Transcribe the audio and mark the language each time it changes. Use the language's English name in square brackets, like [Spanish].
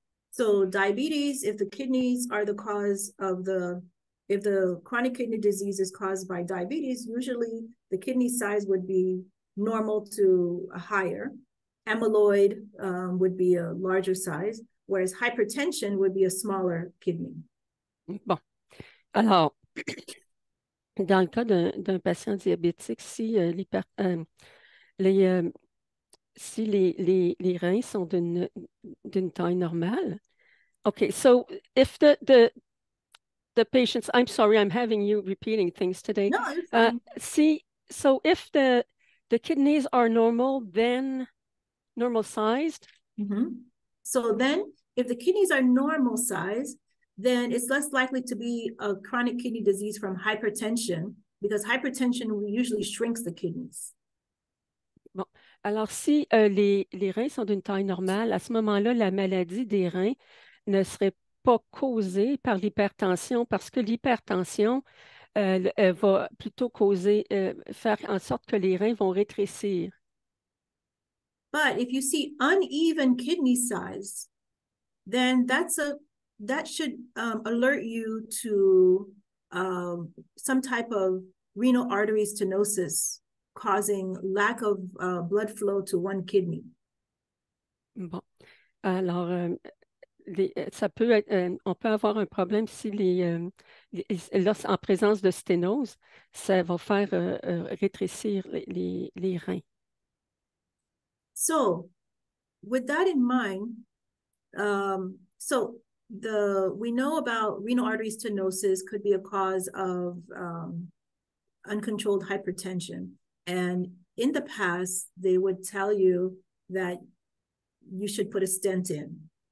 [English] So diabetes, if the kidneys are the cause of the, if the chronic kidney disease is caused by diabetes, usually the kidney size would be normal to a higher. Amyloid would be a larger size, whereas hypertension would be a smaller kidney. [French] Bon, alors, dans le cas d'un patient diabétique, si les reins sont d'une taille normale. [English] OK, so if the patients, I'm sorry, I'm having you repeating things today. No, you're fine. So if the kidneys are normal, then normal sized. So then, if the kidneys are normal size, then it's less likely to be a chronic kidney disease from hypertension because hypertension usually shrinks the kidneys. [French] Bon, alors si les reins sont d'une taille normale, à ce moment-là, la maladie des reins ne serait pas causée par l'hypertension parce que l'hypertension va plutôt faire en sorte que les reins vont rétrécir. [English] But if you see uneven kidney size, then that should alert you to some type of renal artery stenosis causing lack of blood flow to one kidney. [French] Bon, alors, on peut avoir un problème si en présence de sténose, ça va faire rétrécir les reins. [English] So, with that in mind, we know about renal artery stenosis could be a cause of uncontrolled hypertension. And in the past, they would tell you that you should put a stent in.